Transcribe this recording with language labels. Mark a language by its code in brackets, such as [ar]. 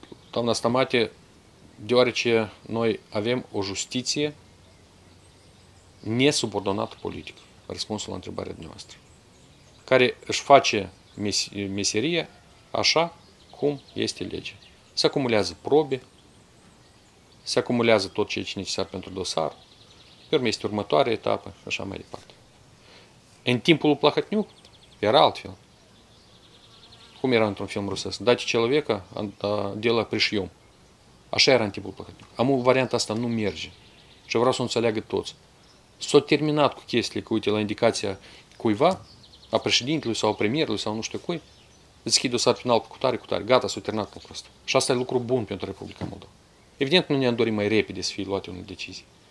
[ro] Doamna Stamate, deoarece noi avem o justiție nesubordonată politic, răspunsul la întrebarea dumneavoastră, care își face meserie așa cum este legea. Se acumulează probe, se acumulează tot ceea ce e necesar pentru dosar, pe urmă este următoarea etapă, așa mai departe. În timpul lui Plahotniuc era altfel. Cum era într-un film rusesc? Dați [ru] человека, дело пришьем. [ro] Așa era în timpul Plahotniuc. Am o variantă asta, nu merge. Și vreau să o înțeleagă toți. S-a terminat cu chestiile, cu, uite, la indicația cuiva, a președintelui sau a premierului sau nu știu cui, deschid dosar penal cu tare, cu tare, gata, s-a terminat lucrul ăsta. Și asta e lucru bun pentru Republica Moldova. Evident, nu ne-am dorit mai repede să fie luate unele decizii.